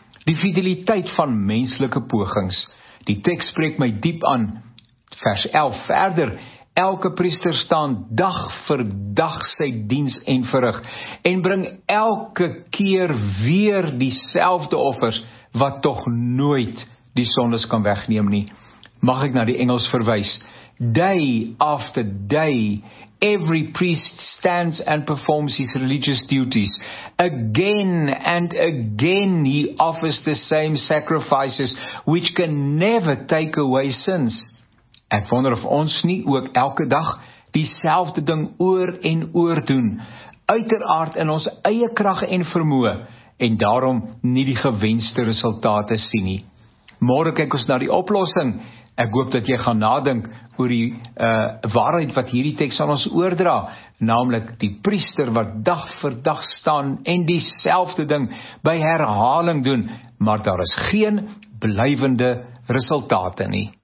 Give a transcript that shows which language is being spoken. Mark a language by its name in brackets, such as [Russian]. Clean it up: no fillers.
[Afrikaans] Die fideliteit van menslike pogings, die tekst spreek my diep aan, vers 11 verder, elke priester staan dag vir dag sy diens en verrig en bring elke keer weer dieselfde offers wat tog nooit die sondes kan wegneem nie. Mag ek na die Engels verwys? [English] Day after day, every priest stands and performs his religious duties. Again and again he offers the same sacrifices which can never take away sins. [Afrikaans] Ek wonder of ons nie ook elke dag dieselfde ding oor en oor doen, uiteraard in ons eie krag en vermoë, en daarom nie die gewenste resultate sien nie. Môre kyk ons na die oplossing. Ek hoop dat jy gaan nadink oor die waarheid wat hierdie teks aan ons oordra, naamlik die priester wat dag vir dag staan en dieselfde ding by herhaling doen, maar daar is geen blywende resultate nie.